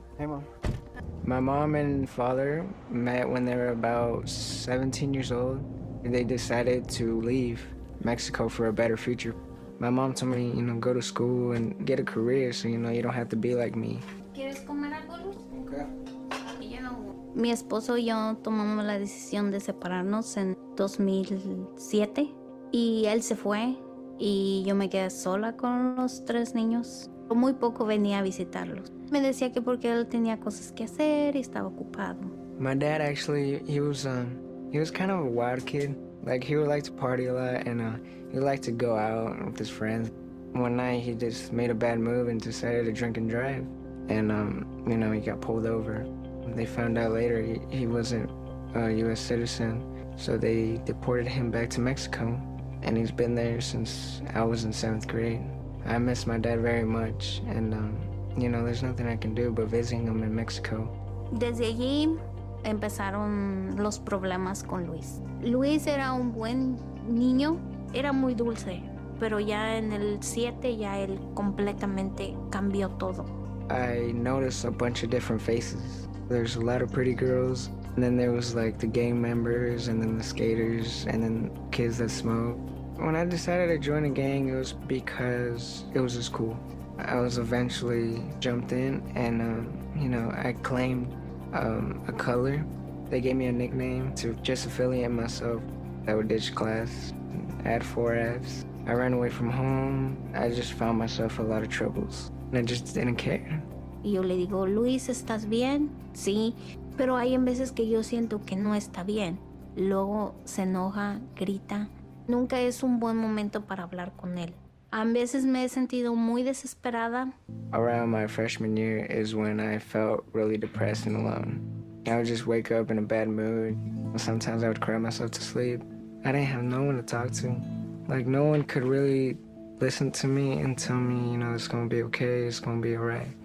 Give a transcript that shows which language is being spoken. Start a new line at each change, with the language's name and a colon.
English: Hey, Mom. My mom and father met when they were about 17 years old. They decided to leave Mexico for a better future. My mom told me, you know, go to school and get a career so, you know, you don't have to be like me.
Spanish: Mi esposo y yo tomamos la decisión de separarnos en 2007 y él se fue y yo me quedé sola con los tres niños. Muy poco venía a visitarlos. Me decía que porque él tenía cosas que hacer y estaba ocupado.
English: My dad actually, he was kind of a wild kid. Like he would like to party a lot and he liked to go out with his friends. One night he just made a bad move and decided to drink and drive. And you know, he got pulled over. They found out later he wasn't a U.S. citizen, so they deported him back to Mexico, and he's been there since I was in seventh grade. I miss my dad very much, and you know, there's nothing I can do but visiting him in Mexico.
Spanish: Desde allí empezaron los problemas con Luis. Luis era un buen niño, era muy dulce, pero ya en el 7 ya él completamente cambió todo.
English: I noticed a bunch of different faces. There's a lot of pretty girls, and then there was like the gang members, and then the skaters, and then kids that smoke. When I decided to join a gang, it was because it was just cool. I was eventually jumped in and, I claimed a color. They gave me a nickname to just affiliate myself. I would ditch class, add four Fs. I ran away from home. I just found myself a lot of troubles and I just didn't care.
Spanish: Yo le digo, Luis, ¿estás bien? Sí, pero hay en veces que yo siento que no está bien. Luego se enoja, grita. Nunca es un buen momento para hablar con él. A veces me he sentido muy desesperada.
English: Around my freshman year is when I felt really depressed and alone. I would just wake up in a bad mood. Sometimes I would cry myself to sleep. I didn't have no one to talk to. Like, no one could really listen to me and tell me, you know, it's gonna be okay, it's gonna be all right.